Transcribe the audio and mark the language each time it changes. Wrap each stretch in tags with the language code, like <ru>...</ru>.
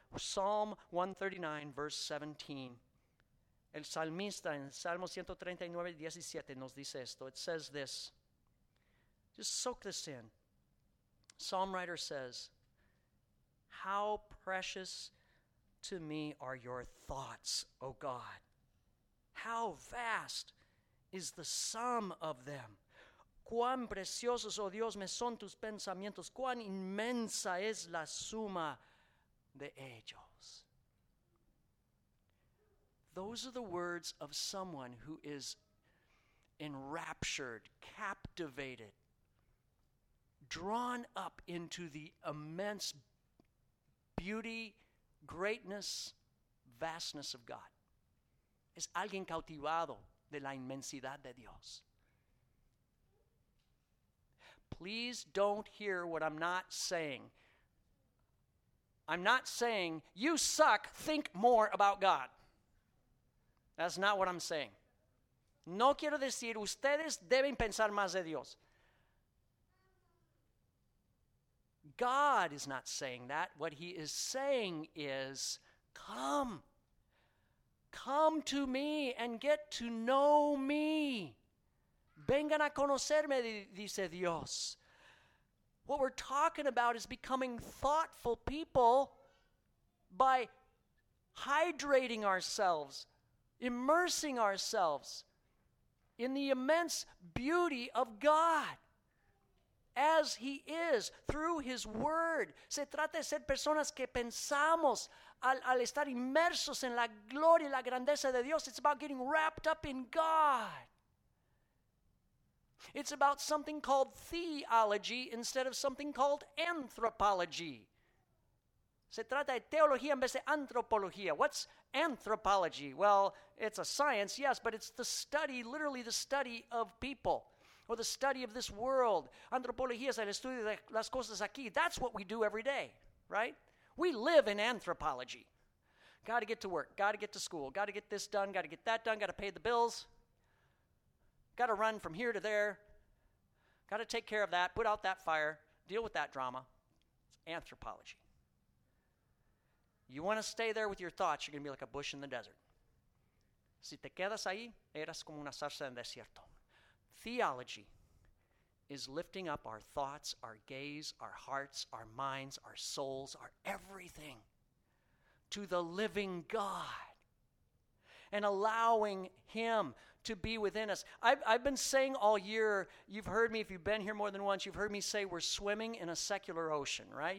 <en>Psalm 139, verse 17.</en> <es>El salmista en Salmo 139:17 nos dice esto.</es> <en>It says this. Just soak this in. Psalm writer says, how precious to me are your thoughts, O God. How vast is the sum of them.</en> <es>Cuán preciosos, oh Dios, me son tus pensamientos. Cuán inmensa es la suma de ellos.</es> <en>Those are the words of someone who is enraptured, captivated, drawn up into the immense beauty, greatness, vastness of God.</en> <es>Es alguien cautivado de la inmensidad de Dios.</es> <en>Please don't hear what I'm not saying. I'm not saying, you suck, think more about God. That's not what I'm saying.</en> <es>No quiero decir, ustedes deben pensar más de Dios.</es> <en>God is not saying that. What he is saying is, come. Come to me and get to know me.</en> <es>Vengan a conocerme, dice Dios.</es> <en>What we're talking about is becoming thoughtful people by hydrating ourselves, immersing ourselves in the immense beauty of God as he is through his word.</en> <es>Se trata de ser personas que pensamos al estar inmersos en la gloria y la grandeza de Dios.</es> <en>It's about getting wrapped up in God. It's about something called theology instead of something called anthropology.</en> <es>Se trata de teología en vez de antropología.</es> <en>What's anthropology? Well, it's a science, yes, but it's the study, literally the study of people or the study of this world.</en> <es>Antropología es el estudio de las cosas aquí.</es> <en>That's what we do every day, right? We live in anthropology. Got to get to work. Got to get to school. Got to get this done. Got to get that done. Got to pay the bills. Got to run from here to there. Got to take care of that. Put out that fire. Deal with that drama. It's anthropology. You want to stay there with your thoughts, you're going to be like a bush in the desert.</en> <es>Si te quedas ahí, eras como una zarza en desierto.</es> <en>Theology is lifting up our thoughts, our gaze, our hearts, our minds, our souls, our everything to the living God and allowing him to be within us. I've been saying all year, you've heard me, if you've been here more than once, you've heard me say we're swimming in a secular ocean, right?</en>